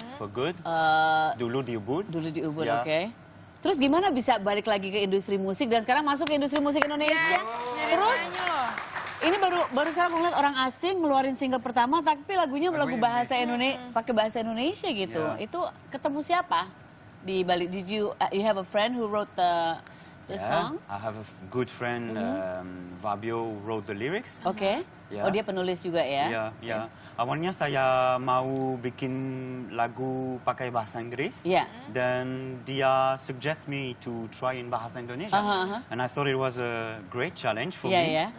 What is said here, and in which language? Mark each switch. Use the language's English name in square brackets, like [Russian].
[English] For good. [Indonesian] Dulu di Ubud. Dulu di Ubud, oke. Terus gimana bisa balik lagi ke industri musik dan sekarang masuk ke industri musik Indonesia? Yeah. Terus? Ini baru sekarang ngeliat orang asing ngeluarin single pertama, tapi lagunya lagu bahasa Indonesia, pakai bahasa Indonesia gitu. Yeah. Itu ketemu siapa di Bali? [English] Did you have a friend who wrote the song? I have a good friend, Fabio wrote the lyrics. Oke. Okay. [Indonesian] Yeah. Oh dia penulis juga ya? Iya. Awalnya saya mau bikin lagu pakai bahasa Inggris. Iya. Yeah. Dan dia [English] suggest me to try in bahasa Indonesia. And I thought it was a great challenge for me.